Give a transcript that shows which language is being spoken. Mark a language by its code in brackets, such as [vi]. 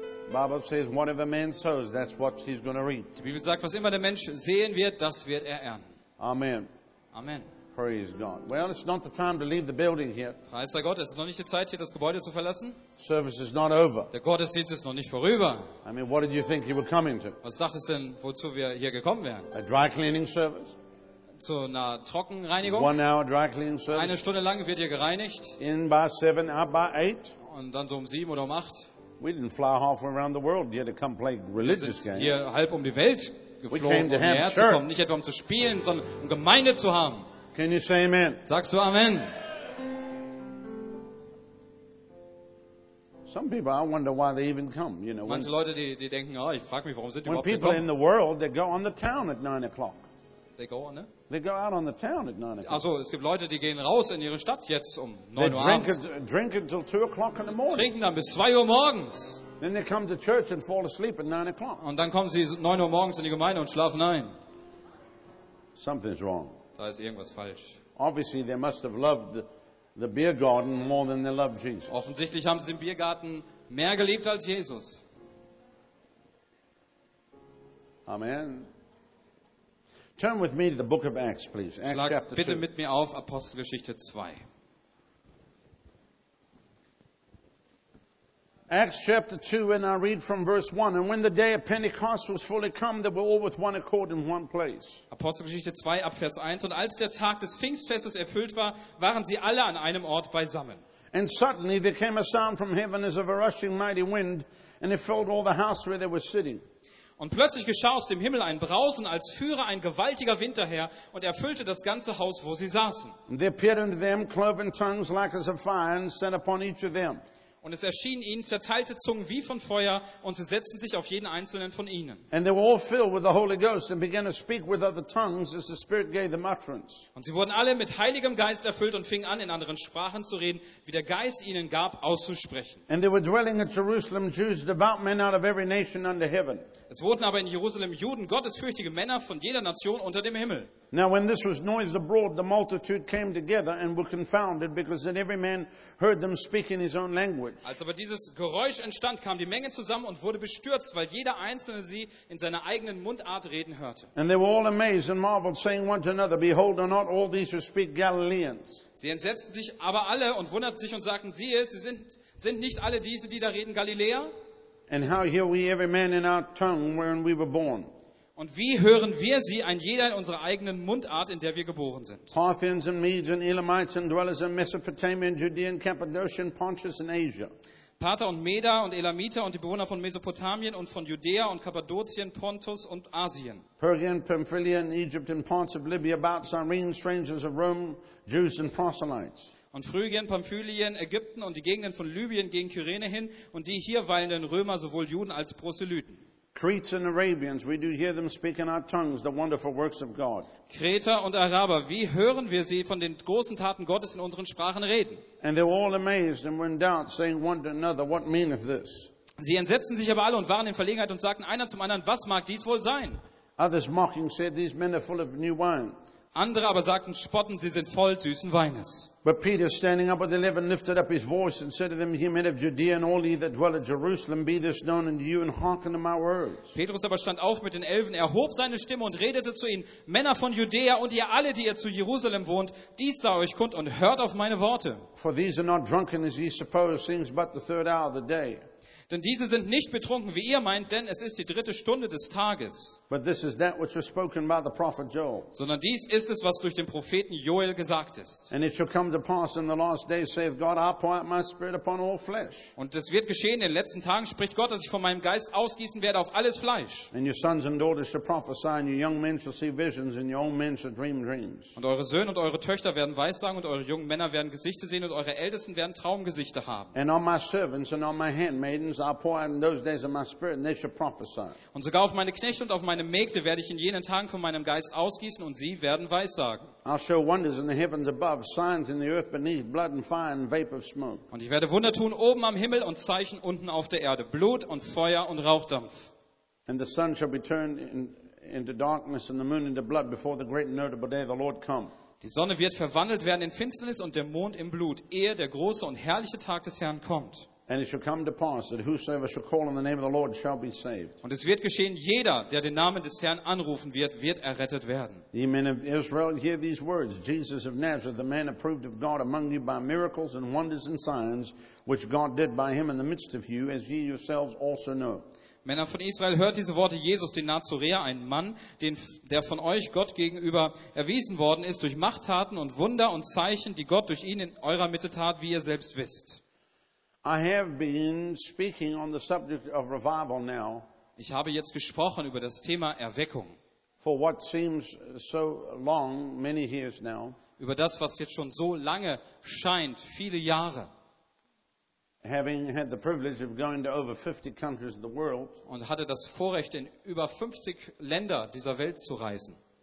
[en] Bible says, whatever man sows, that's what he's going to reap. [de] Die Bibel sagt, was immer der Mensch sehen wird, das wird er ernten. [en] Amen. Amen. Praise God. Well, it's not the time to leave the building here. [de] Preis sei Gott, es ist noch nicht die Zeit, hier das Gebäude zu verlassen. [en] Service is not over. [de] Der Gottesdienst ist noch nicht vorüber. [en] I mean, what did you think you were coming to? [de] Was dachtest du denn, wozu wir hier gekommen wären? [en] A dry cleaning service? [de] Zu einer Trockenreinigung? [en] One hour dry cleaning service. [de] Eine Stunde lang wird hier gereinigt. [en] In by 7, out by 8. [de] Und dann so um 7 oder um 8. [en] We didn't fly halfway around the world here to come play religious games. [de] Hier halb um die Welt geflogen, [en] we came to [de] um herzukommen, nicht etwa um zu spielen, sondern um Gemeinde zu haben. [en] Can you say amen? [de] Sagst du Amen? [en] Some people, I wonder why they even come. You know, when, [de] manche Leute, die denken, oh, ich frage mich, warum sind die überhaupt gekommen? [en] When people in the world, they go on the town at 9 o'clock. They go on, ne? They go out on the town at 9 o'clock. [de] Also, es gibt Leute, die gehen raus in ihre Stadt jetzt um 9 Uhr abends. [en] Drink until 2 o'clock in the morning. [de] Trinken dann bis 2 Uhr morgens. [en] Then they come to church and fall asleep at 9 o'clock. [de] Und dann kommen sie 9 Uhr morgens in die Gemeinde und schlafen ein. [en] Something's wrong. [de] Da ist irgendwas falsch. [en] Obviously, they must have loved the beer garden more than they loved Jesus. [de] Offensichtlich haben sie den Biergarten mehr geliebt als Jesus. [en] Amen. Turn with me to the book of Acts, please. Acts chapter 2. [de] Schlag bitte mit mir auf Apostelgeschichte 2. [en] Acts chapter 2, and I read from verse 1. And when the day of Pentecost was fully come, they were all with one accord in one place. [de] Apostelgeschichte 2, Abvers 1. Und als der Tag des Pfingstfestes erfüllt war, waren sie alle an einem Ort beisammen. [en] And suddenly there came a sound from heaven as of a rushing mighty wind, and it filled all the house where they were sitting. [de] Und plötzlich geschah aus dem Himmel ein Brausen, als führe ein gewaltiger Wind daher und erfüllte das ganze Haus, wo sie saßen. [en] And there appeared unto them cloven tongues like as of fire, and set upon each of them. [de] Und es erschienen ihnen zerteilte Zungen wie von Feuer, und sie setzten sich auf jeden einzelnen von ihnen. [en] And they were all filled with the Holy Ghost and began to speak with other tongues as the Spirit gave them utterance. [de] Und sie wurden alle mit Heiligem Geist erfüllt und fingen an, in anderen Sprachen zu reden, wie der Geist ihnen gab, auszusprechen. [en] And they were dwelling at Jerusalem Jews, devout men out of every nation under heaven. [de] Es wurden aber in Jerusalem Juden, gottesfürchtige Männer von jeder Nation unter dem Himmel. [en] Now when this was noised abroad, the multitude came together and were confounded, because then every man heard them speak in his own language. [de] Als aber dieses Geräusch entstand, kam die Menge zusammen und wurde bestürzt, weil jeder einzelne sie in seiner eigenen Mundart reden hörte. [en] And they were all amazed and marveled, saying one to another, Behold, are not all these who speak Galileans? [de] Sie entsetzten sich aber alle und wunderten sich und sagten, siehe, sie sind nicht alle diese, die da reden, Galiläer? [en] And how hear we every man in our tongue wherein we were born? [de] Und wie hören wir sie, ein jeder in unserer eigenen Mundart, in der wir geboren sind? [en] Parthians and Medes and Elamites and dwellers in Mesopotamia and Judea and Cappadocia and Pontus and Asia. [de] Parther und Meder und Elamiter und die Bewohner von Mesopotamien und von Judäa und Kappadokien, Pontus und Asien. [en] Pergian, Pamphylia and Egypt and parts of Libya, about Cyrene, strangers of Rome, Jews and proselytes. [de] Und Phrygien, Pamphylien, Ägypten und die Gegenden von Libyen gegen Kyrene hin und die hier weilenden Römer, sowohl Juden als Proselyten. [en] Cretes and Arabians, we do hear them speak in our tongues the wonderful works of God. [de] Kreter und Araber, wie hören wir sie von den großen Taten Gottes in unseren Sprachen reden? [en] And they were all amazed and were in doubt, saying one to another, What meaneth this? [de] Sie entsetzten sich aber alle und waren in Verlegenheit und sagten einer zum anderen, Was mag dies wohl sein? [en] Others mocking said, These men are full of new wine. [de] Andere aber sagten, spotten, sie sind voll süßen Weines. [en] But Peter, standing up with the 11, lifted up his voice and said to them, Ye men of Judea and all ye that dwell at Jerusalem, be this known unto you and hearken to my words. [de] Petrus aber stand auf mit den 11, erhob seine Stimme und redete zu ihnen, Männer von Judäa und ihr alle, die ihr zu Jerusalem wohnt, dies sei euch kund und hört auf meine Worte. [en] For these are not drunken as ye suppose, seeing but the third hour of the day. [de] Denn diese sind nicht betrunken, wie ihr meint, denn es ist die dritte Stunde des Tages. [en] But this is that which was spoken by the prophet Joel. [de] Sondern dies ist es, was durch den Propheten Joel gesagt ist. [en] And it shall come to pass in the last days, saith God, I'll pour out my spirit upon all flesh. [de] Und es wird geschehen in den letzten Tagen, spricht Gott, dass ich von meinem Geist ausgießen werde auf alles Fleisch. [en] And your sons and daughters shall prophesy, and your young men shall see visions, and your old men shall dream dreams. [de] Und eure Söhne und eure Töchter werden Weissagen, und eure jungen Männer werden Gesichter sehen, und eure Ältesten werden Traumgesichter haben. [en] And on my servants and on my handmaidens I'll pour out in those days of my spirit, and they shall prophesy. [de] Und sogar auf meine Knechte und auf meine Mägde werde ich in jenen Tagen von meinem Geist ausgießen, und sie werden weissagen. [en] I'll show wonders in the heavens above, signs in the earth beneath, blood and fire and vapor of smoke. [de] Und ich werde Wunder tun oben am Himmel und Zeichen unten auf der Erde, Blut und Feuer und Rauchdampf. [en] And the sun shall be turned into darkness and the moon into blood before the great and notable day of the Lord come. [de] Die Sonne wird verwandelt werden in Finsternis und der Mond in Blut, ehe der große und herrliche Tag des Herrn kommt. Und es wird geschehen, jeder, der den Namen des Herrn anrufen wird, wird errettet werden. [en] Ye men of Israel, hear these words. Jesus of Nazareth, the man approved of God among you by miracles and wonders and signs, which God did by him in the midst of you, as ye yourselves also know. [de] Männer von Israel, hört diese Worte, Jesus, den Nazaräer, ein Mann, der von euch Gott gegenüber erwiesen worden ist durch Machttaten und Wunder und Zeichen, die Gott durch ihn in eurer Mitte tat, wie ihr selbst wisst. [en] I have been speaking on the subject of revival now. [de] Ich habe jetzt gesprochen über das Thema Erweckung. [en] For what seems so long, many years now. [de] Über das, was jetzt schon so lange scheint, viele Jahre. [en] Having had the privilege of going to over 50 countries of the world. [de] Und hatte das Vorrecht, in über 50 Länder dieser Welt zu reisen.